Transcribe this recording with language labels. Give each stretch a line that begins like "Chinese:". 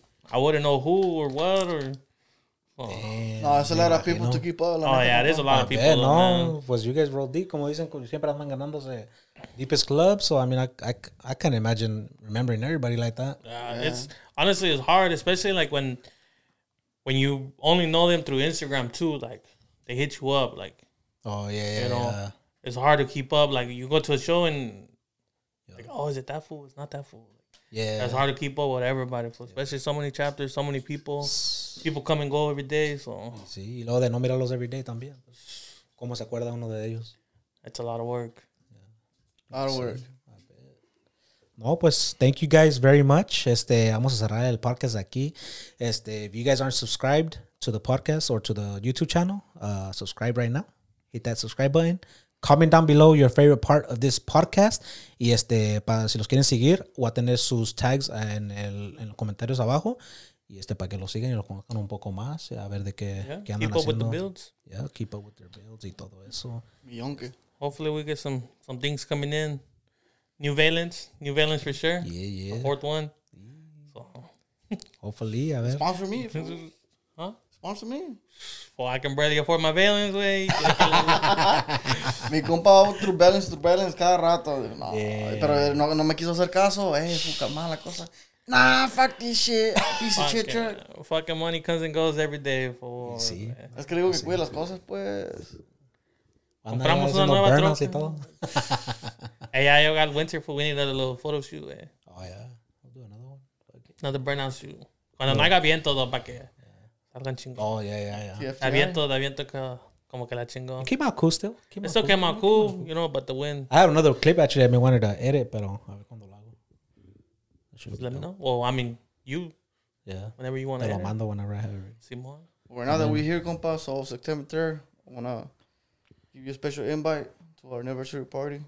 English: I wouldn't know who or what, or... Damn, no, it's a lot of people to keep up.
Spanish: neta,
English: yeah, it is a lot of people.
Spanish: No, pues
English: you guys roll deep,
Spanish: como dicen, siempre andan ganándose
English: deepest club. So, I mean, I can't imagine remembering everybody like that. Yeah. It's honestly, it's hard, especially like when you only know them through Instagram too. Like, they hit you up, like, oh, yeah, you know, yeah. It's hard to keep up. Like, you go to a show and, like, oh, is it that fool? It's not that fool. Yeah. It's hard to keep up with everybody, especially so many chapters, so many people. People come and go every day, so.
Spanish: Sí, y luego de no mirarlos
English: every day
Spanish: también. ¿Cómo se acuerda uno de ellos?
English: It's a lot of work. Yeah. A lot of work.
Spanish: No, pues,
English: thank you guys very much.
Spanish: Vamos a cerrar el podcast aquí.
English: If you guys aren't subscribed to the podcast or to the YouTube channel, subscribe right now. Hit that subscribe button. comment down below your favorite part of this podcast.
Spanish: Y este, para si los quieren seguir, voy a tener sus tags en el en los comentarios abajo. Y este, para que los sigan y los conozcan un poco más, a ver de qué,
English: yeah,
Spanish: qué andan keep haciendo.
English: Keep up with the builds. Yeah, keep up with their builds
Spanish: y todo eso. Millonque.
English: Hopefully we get some things coming in. New Valence for sure. Yeah, yeah. The fourth one. Yeah. So. Hopefully,
Spanish: a ver.
English: Sponsor me. Huh? Sponsor me. Well, I can barely afford my Valence, wey.
Spanish: Mi compa va through Valence cada rato. No, yeah. Pero no me quiso hacer caso.
English: Fuca mala cosa. Nah, fuck this shit. Piece of shit truck. Fucking money comes and goes every day. For
Spanish: sí. Es que digo que cuide las cosas, pues. Compramos una nueva troca.
English: Hey, I got winter food. We need another little photo shoot, wey. Oh, yeah. We'll do another one. Another burnout shoot.
Spanish: Cuando no haga viento,
English: though,
Spanish: pa' que... Salgan chingón.
English: Oh, yeah.
Spanish: Da viento que, como que la chingón.
English: It came out cool still. It still came out cool, you know, but the wind. I have another clip actually that I wanted to edit,
Spanish: pero a ver cuando lo hago.
English: Let me know. Well, I mean, you. Yeah. Whenever you want to.
Spanish: Lo mando
English: whenever I have it.
Spanish: Simón.
English: Well, now that we're here, compa, so September 3rd, I want to give you a special invite to our anniversary party.